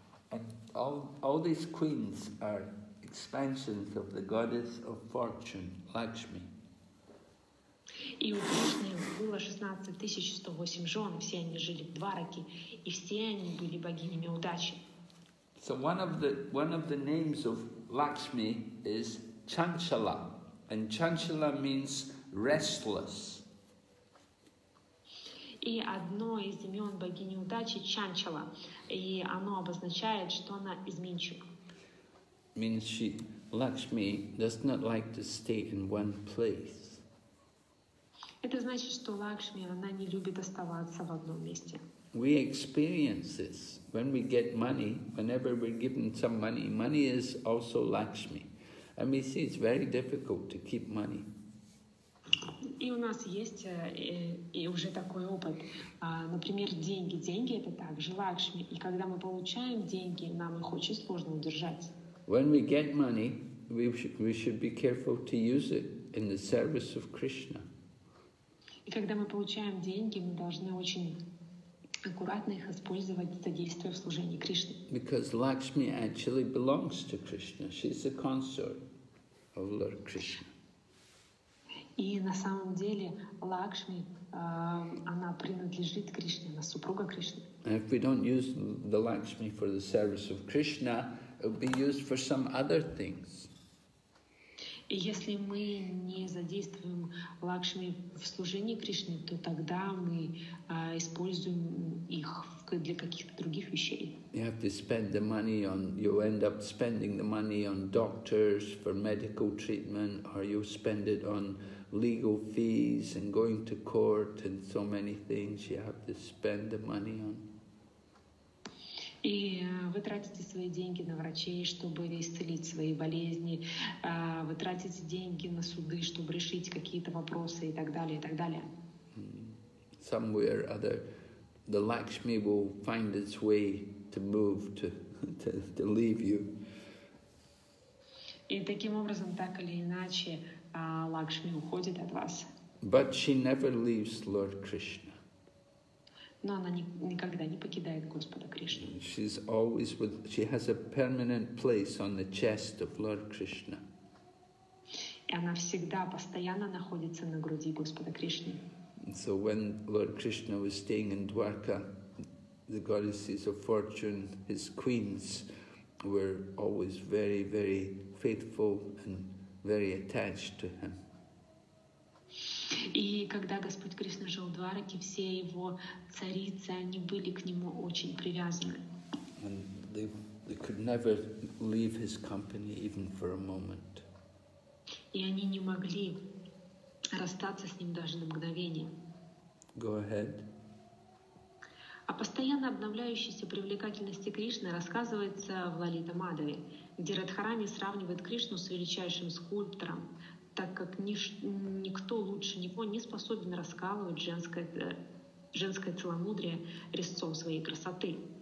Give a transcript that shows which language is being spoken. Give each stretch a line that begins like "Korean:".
English: And all these queens are expansions of the goddess of fortune, Lakshmi.
Russian: И у Кришны было 16,108 жен, все они жили в Двараке, и все они были богинями удачи.
English: So one of the names of Lakshmi is Chanchala, and Chanchala means restless.
Russian: И одно из имен богини удачи Чанчала, и оно обозначает, что она изменчива.
English: Means she, Lakshmi, does not like to stay in one place.
Russian: Это значит, что Лакшми, она не любит оставаться в одном месте.
English: We experience this when we get money. Whenever we're given some money, money is also Lakshmi, and we see it's very difficult to keep money.
Russian: И у нас есть и уже такой опыт. Например, деньги. Деньги — это также Лакшми. И когда мы получаем деньги, нам их очень сложно удержать.
English: When we get money, we should be careful to use it in the service of Krishna.
Russian: И когда мы получаем деньги, мы должны очень аккуратно их использовать, содействуя в служении Кришне.
English: Because Lakshmi actually belongs to Krishna. She's a consort of Lord Krishna.
Russian: И на самом деле Лакшми, она принадлежит Кришне, она супруга Кришны.
English: And if we don't use the Lakshmi for the service of Krishna, it will be used for some other things.
Russian: И если мы не задействуем Лакшми в служении Кришне, то тогда мы используем их для каких-то других вещей.
English: You have to spend the money on, you end up spending the money on doctors for medical treatment, or you spend it on legal fees and going to court and so many things you have to spend the money on.
Russian: И вы тратите свои деньги на врачей, чтобы исцелить свои болезни. Вы тратите деньги на суды, чтобы решить какие-то вопросы и так далее, и так далее.
English: Somewhere other, the Lakshmi will find its way to move to leave you.
Russian: И таким образом, так или иначе, Лакшми уходит от вас.
English: But she never leaves Lord Krishna.
Russian: Но она никогда не покидает Господа Кришну.
English: She's always with, she has a permanent place on the chest of Lord Krishna.
Russian: И она всегда постоянно находится на груди Господа Кришны.
English: So when Lord Krishna was staying in Dwarka, the goddesses of fortune, his queens, were always very, very faithful and very attached to him.
Russian: И когда Господь Кришна жил в Двараке, все его царицы, они были к нему очень привязаны.
English: And they could never leave his company even for a moment.
Russian: И они не могли расстаться с ним даже на мгновение.
English: Go ahead.
Russian: О постоянно обновляющейся привлекательности Кришны рассказывается в Лалита-мадаве, где Радхарани сравнивает Кришну с величайшим скульптором, так как никто лучше него не способен раскалывать женское целомудрие резцом своей красоты.